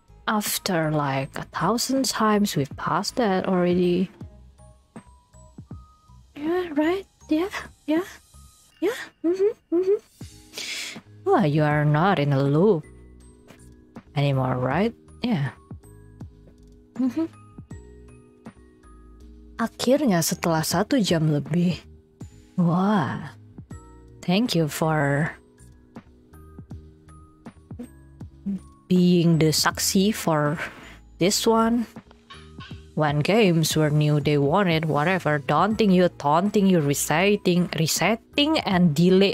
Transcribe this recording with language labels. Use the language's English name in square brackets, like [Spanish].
[English] after like a thousand times we've passed that already. Yeah, right? Yeah, yeah. Yeah, Well, you are not in a loop anymore, right? Yeah. [Indonesian] Akhirnya setelah satu jam lebih. Wah. [English] Thank you for being the saksi for this one. When games were new, they wanted whatever, daunting you, taunting you, resetting and delay.